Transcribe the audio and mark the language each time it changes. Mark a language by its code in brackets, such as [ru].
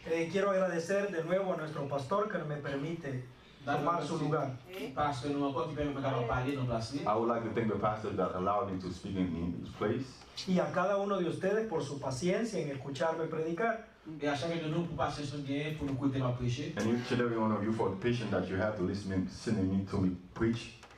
[es] Quiero agradecer de nuevo a nuestro pastor que me permite. [en] I would like to thank the pastor that allowed me to speak in his place. [es] Y a cada uno de ustedes por su paciencia en escucharme predicar. [en] And each and every one of you for the patience that you have to listen to me preach.